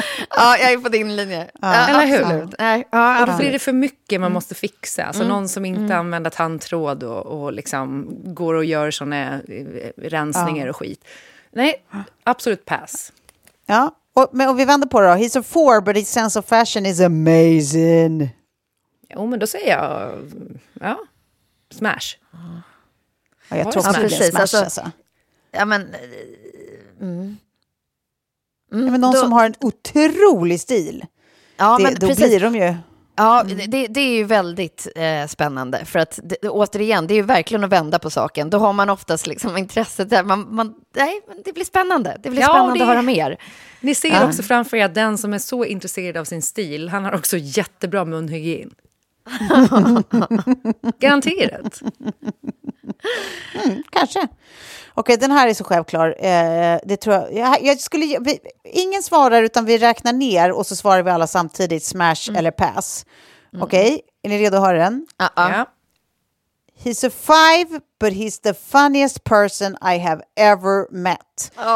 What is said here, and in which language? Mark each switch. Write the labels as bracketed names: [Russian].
[Swedish] Ja, jag är på din linje. Eller hur? Absolut. Då blir det för mycket man måste fixa. Alltså någon som inte använder tandtråd och liksom går och gör såna rensningar och skit. Nej, absolut pass. Ja, men om vi vänder på det då. [English] He's a four, but his sense of fashion is amazing. [Swedish] Jo, men då säger jag... Ja, smash. Ja, jag tror att det blir smash alltså. Ja, men... Men någon som har en otrolig stil. Ja, blir de ju. Ja, det är ju väldigt spännande. För att återigen, det är ju verkligen att vända på saken. Då har man oftast liksom intresset där. Nej, men det blir spännande. Det blir spännande att höra mer. Ni ser också framför er att den som är så intresserad av sin stil, han har också jättebra munhygien. Garanterat. Kanske. Okej, den här är så självklar. Det tror jag skulle, ingen svarar utan vi räknar ner och så svarar vi alla samtidigt smash eller pass. Okej, är ni redo att höra den? [English] He's a five, but he's the funniest person I have ever met.